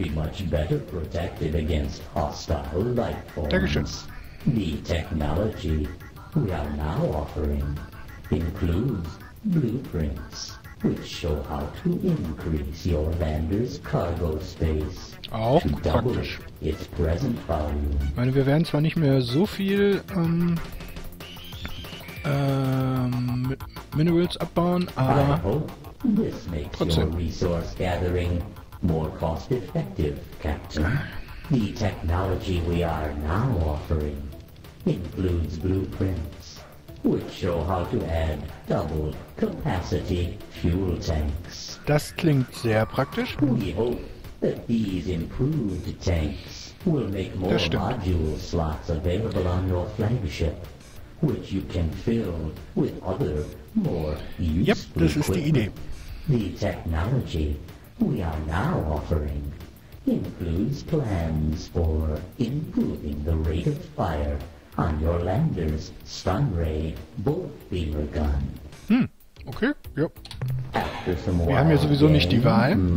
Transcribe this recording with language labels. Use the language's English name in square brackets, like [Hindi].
[English] They will be much better protected against hostile life forms. [German] Dankeschön. [English] The technology we are now offering includes blueprints, which show how to increase your lander's cargo space. [German] Auch praktisch. [English] Its present volume. [German] Ich meine, wir werden zwar nicht mehr so viel mit Minerals abbauen, aber [English] I hope this makes [German] trotzdem. [English] Your resource gathering more cost effective, Captain. The technology we are now offering includes blueprints, which show how to add double capacity fuel tanks. [German] Das klingt sehr praktisch. [English] We hope that these improved tanks will make more module slots available on your flagship, which you can fill with other more useful equipment. The technology we are now offering includes plans for improving the rate of fire on your lander's stun ray bolt beamer gun. [German] Okay, yep. We have ya sowieso nicht die Wahl.